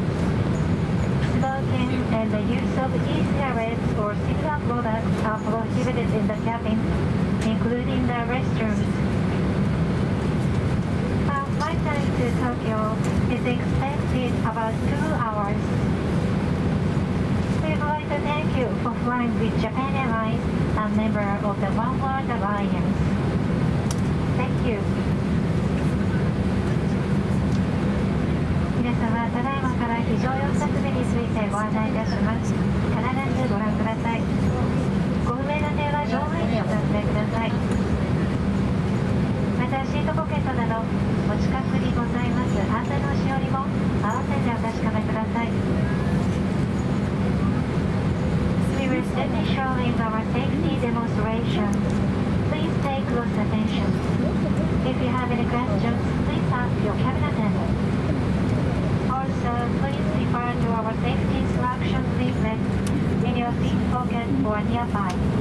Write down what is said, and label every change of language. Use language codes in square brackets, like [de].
[en] Smoking and the use of e-cigarettes or similar products are prohibited in the cabin, including the restrooms. Our flight time to Tokyo is expected about 2 hours. We'd like to thank you for flying with Japan Airlines, a member of the One World Alliance. [ja] 皆様、ただいまから非常用設備についてご案内いたします。必ずご覧ください。ご不明な点は乗務員にお尋ねください。また、シートポケットなどお近くにございます安全のしおりも合わせてお確かめください。 [en] We will soon be showing our safety demonstration. Please pay close attention. If you have any questions, please ask your cabin attendant. Also, please refer to our safety instruction leaflet in your seat pocket or nearby.